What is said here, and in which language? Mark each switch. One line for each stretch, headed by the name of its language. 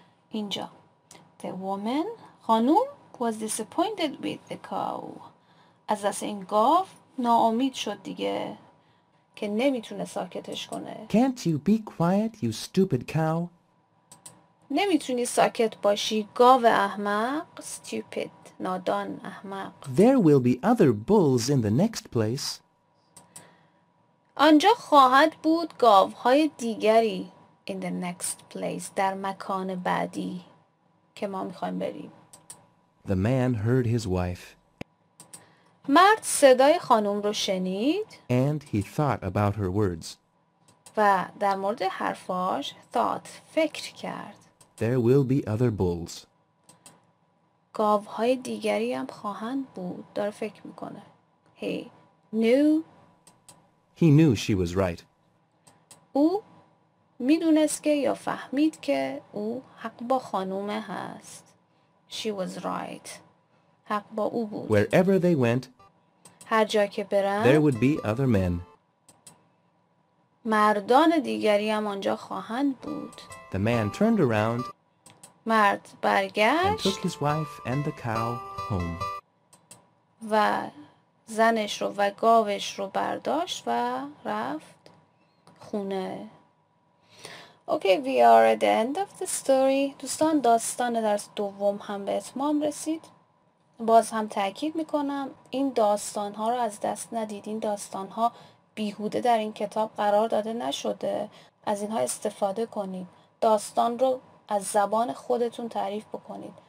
Persian: اینجا
English: The woman
Persian: خانوم
English: was disappointed with the cow.
Persian: از دست این گاو ناامید شد دیگه که نمیتونه ساکتش کنه.
English: Can't you be quiet, you stupid cow?
Persian: نمیتونی ساکت باشی گاو احمق stupid نادان احمق.
English: There will be other bulls in the next place.
Persian: آنجا خواهد بود گاوهای دیگری
English: in the next place
Persian: در مکان بعدی که ما میخوایم بریم.
English: The man heard his wife.
Persian: مرد صدای خانم رو شنید.
English: And he thought about her words.
Persian: و در مورد حرفاش thought فکر کرد.
English: There will be other bulls.
Persian: گاوهای دیگری هم خواهند بود. داره فکر میکنه.
English: He knew. He knew she was right.
Persian: او میدونست که یا فهمید که او حق با خانومه هست.
English: She was right.
Persian: حق با او بود.
English: Wherever they went,
Persian: هر جا که برن,
English: there would be other men.
Persian: مردان دیگری هم آنجا خواهند بود.
English: The man turned around.
Persian: مرد برگشت.
English: And took his wife and the cow home.
Persian: و زنش رو و گاوش رو برداشت و رفت خونه.
English: Okay, we are at the end of the story.
Persian: دوستان داستان درس دوم هم به اتمام رسید. باز هم تأکید میکنم این داستان ها رو از دست ندید. این داستان ها بیهوده در این کتاب قرار داده نشده. از اینها استفاده کنید. داستان رو از زبان خودتون تعریف بکنید.